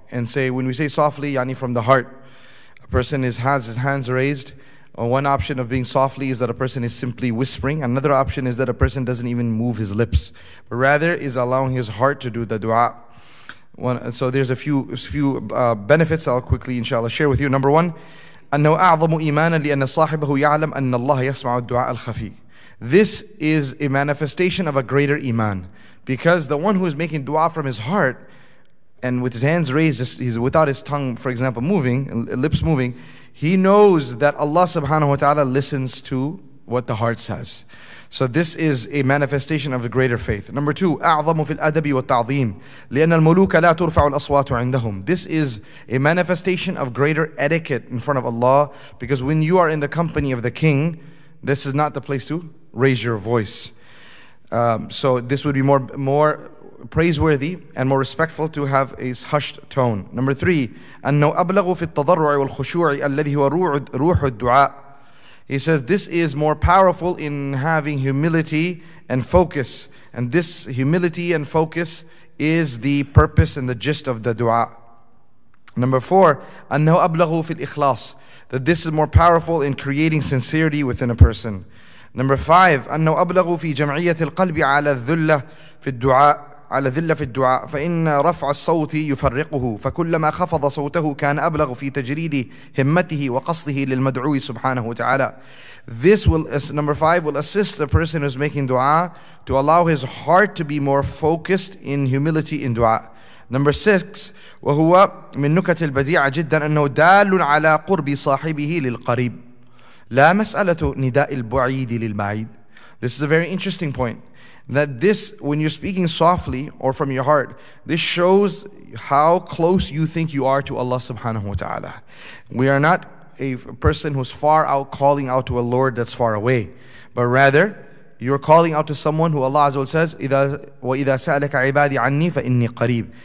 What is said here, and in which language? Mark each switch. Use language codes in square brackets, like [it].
[en] And say, when we say softly, yani from the heart, a person has his hands raised. One option of being softly is that a person is simply whispering. Another option is that a person doesn't even move his lips, but rather is allowing his heart to do the dua. So there's a few benefits I'll quickly, inshallah, share with you. Number one, [ar] أنه أعظم إيمانا لأن صاحبه يعلم أن الله يسمع الدعاء الخفي. [en] This is a manifestation of a greater iman, because the one who is making dua from his heart and with his hands raised, he's without his tongue, for example, moving, lips moving, he knows that Allah subhanahu wa ta'ala listens to what the heart says. So this is a manifestation of the greater faith. Number two, [ar] أعظم في الأدب والتعظيم لأن الملوك لا ترفع الأصوات عندهم. [en] This is a manifestation of greater etiquette in front of Allah, because when you are in the company of the king, this is not the place to raise your voice. So this would be more praiseworthy and more respectful to have a hushed tone. Number three, [ar] أنه أبلغ في التضرع والخشوع الذي هو روح الدعاء. [en] He says, this is more powerful in having humility and focus. And this humility and focus is the purpose and the gist of the dua. Number four, [ar] أنه أبلغ في الإخلاص. [en] That this is more powerful in creating sincerity within a person. Number five, [ar] أنه أبلغ في جمعية القلب على الذلة في الدعاء. على ذلة في الدعاء فإن رفع الصوت يفرقه فكلما خفض صوته كان أبلغ في تجريد همته وقصده للمدعو سبحانه وتعالى. [en] This will, number five, will assist the person who's making dua to allow his heart to be more focused in humility in dua. Number six, [ar] وهو من نكت البديعة جدا أنه دال على قرب صاحبه للقريب لا مسألة نداء البعيد للبعيد. [en] This is a very interesting point, that this, when you're speaking softly or from your heart, this shows how close you think you are to Allah subhanahu wa ta'ala. We are not a person who's far out calling out to a Lord that's far away, but rather you're calling out to someone who Allah Azza wa says, [ar] وَإِذَا سَأَلَكَ عِبَادِي عَنِّي فَإِنِّي قَرِيبٌ.